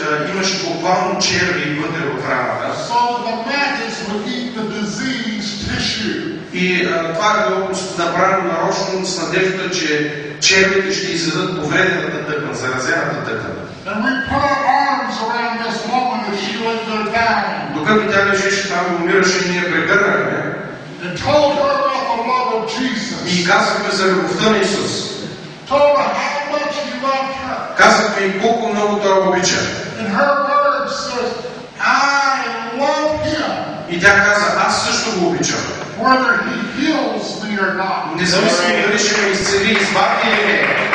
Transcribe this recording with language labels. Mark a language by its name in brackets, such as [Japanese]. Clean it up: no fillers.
[Bulgarian] Имаше буквално черви вътре в раната. [English] So the maggots would eat the diseased tissue. [Bulgarian] И това е било направено нарочно с надеждата, че червите ще изядат повредената тъкан, заразената тъкан. [English] And we put our arms around this woman as she lay there dying. [Bulgarian] Докато тя лежеше там и умираше, ние прегърнахме. [English] And told her about the love of Jesus. [Bulgarian] И казахме за любовта на Исус. [English] Told her how much he loved her. [Bulgarian] Казахме и колко много той обича. [English] And her word says, I love him. [Bulgarian] И тя каза, аз също го обичам. [English] Whether he heals me or not. [Bulgarian] Независимо дали ще ме изцели, избави или не.